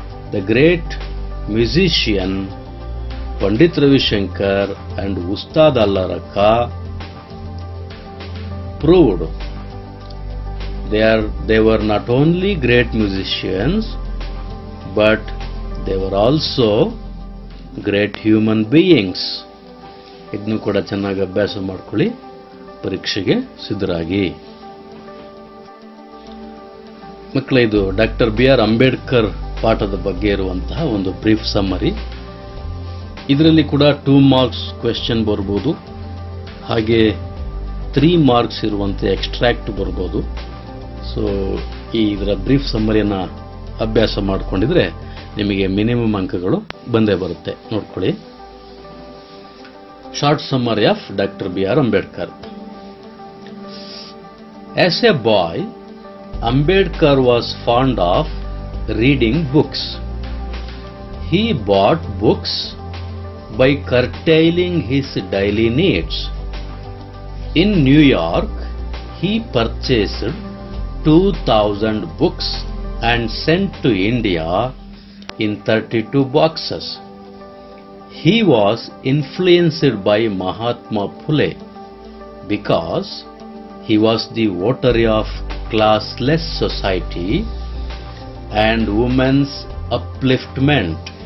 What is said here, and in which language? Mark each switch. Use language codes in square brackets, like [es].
[en] The great musician Pandit Ravi Shankar and Ustad Allaraka proved they were not only great musicians, but they were also great human beings. [kn] ಇದನ್ನು ಕೂಡ ಚೆನ್ನಾಗಿ ಅಭ್ಯಾಸ ಮಾಡ್ಕೊಳ್ಳಿ, ಪರೀಕ್ಷೆಗೆ ಸಿದ್ಧರಾಗಿ. ಮಕ್ಕಳ, ಇದು ಡಾಕ್ಟರ್ ಬಿ ಆರ್ ಅಂಬೇಡ್ಕರ್ ಪಾಠದ ಬಗ್ಗೆ ಇರುವಂತಹ ಒಂದು ಬ್ರೀಫ್ ಸಮ್ಮರಿ. ಇದರಲ್ಲಿ ಕೂಡ 2 marks ಕ್ವೆಶ್ಚನ್ ಬರ್ಬೋದು, ಹಾಗೆ 3 marks ಇರುವಂತೆ ಎಕ್ಸ್ಟ್ರಾಕ್ಟ್ ಬರ್ಬೋದು. ಸೊ ಈ ಇದರ ಬ್ರೀಫ್ ಸಮ್ಮರಿಯನ್ನು ಅಭ್ಯಾಸ ಮಾಡಿಕೊಂಡಿದ್ರೆ ನಿಮಗೆ ಮಿನಿಮಮ್ ಅಂಕಗಳು ಬಂದೇ ಬರುತ್ತೆ. [en] ನೋಡ್ಕೊಳ್ಳಿ, short summary of doctor B R Ambedkar. As a boy, Ambedkar was fond of reading books. He bought books by curtailing his daily needs. In New York he purchased 2000 books and sent to India in 32 boxes. He was influenced by Mahatma Phule because he was the votary of classless society and women's upliftment.